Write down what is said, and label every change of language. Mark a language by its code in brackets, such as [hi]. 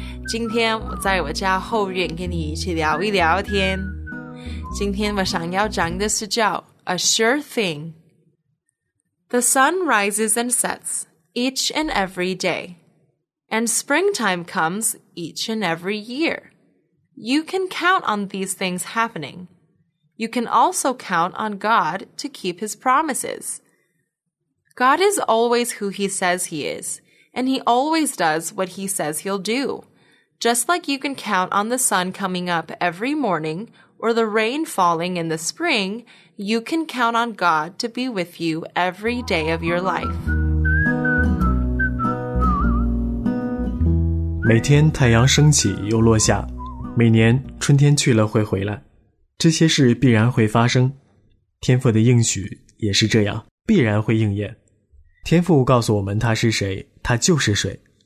[zh] 今天我在我家后院跟你一起聊一聊天。今天我想要讲的是叫 A Sure Thing。 [en] The sun rises and sets each and every day, and springtime comes each and every year. You can count on these things happening. You can also count on God to keep his promises. God is always who he says he is, and he always does what he says he'll do. Just like you can count on the sun coming up every morning or the rain falling in the spring,You can count on God to be with you every day of your life. [zh] 每天太阳升起又落下，每年春天去了会回来，这些事必然会发生。天父的应许也是这样，必然会应验。天父告诉我们他是谁，他就是谁。